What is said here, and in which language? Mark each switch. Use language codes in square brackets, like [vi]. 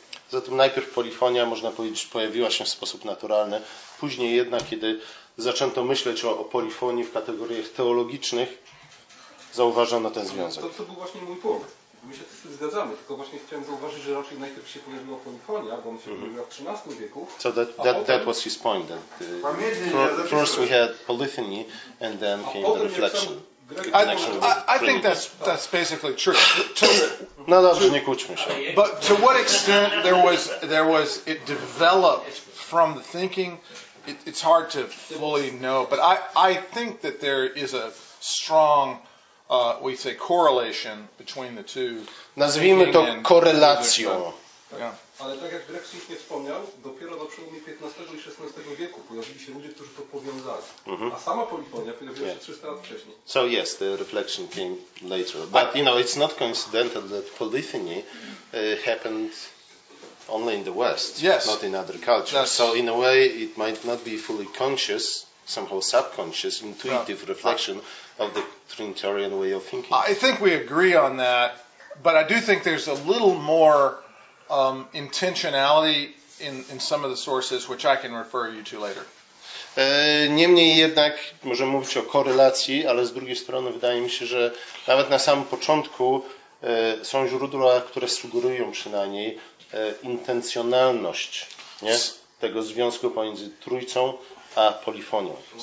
[pl] Zatem najpierw polifonia, można powiedzieć, pojawiła się w sposób naturalny. Później jednak, kiedy zaczęto myśleć o polifonii w kategoriach teologicznych, zauważono ten związek. To był właśnie mój punkt. My się z tym zgadzamy, tylko właśnie chciałem zauważyć, że raczej najpierw się pojawiła polifonia, bo on się pojawił w XIII wieku. [en] So that was his point. First we had polyphony and then came the reflection. I think that's basically true. [pl] No dobrze, nie kłóćmy się. [en] But to what extent there was it developed from the thinking, it's hard to fully know. But I think that there is a strong we say correlation between the two. [pl] Nazwijmy to korelacją. Ale tak jak Greg słusznie wspomniał, dopiero na przełomie XV i XVI wieku pojawili się ludzie, którzy to powiązali. Mm-hmm. A sama polifonia pojawiła się 300 lat wcześniej. [en] So yes, the reflection came later. But you know, it's not coincidental that polyphony happened only in the West, yes. Not in other cultures. So in a way, it might not be fully conscious, somehow subconscious, intuitive reflection of the Trinitarian way of thinking. I think we agree on that, but I do think there's a little more intentionality in some of the sources, which I can refer you to later. [pl] Niemniej jednak możemy mówić o korelacji, ale z drugiej strony wydaje mi się, że nawet na samym początku są źródła, które sugerują przynajmniej intencjonalność, nie? Tego związku pomiędzy Trójcą a polifonią.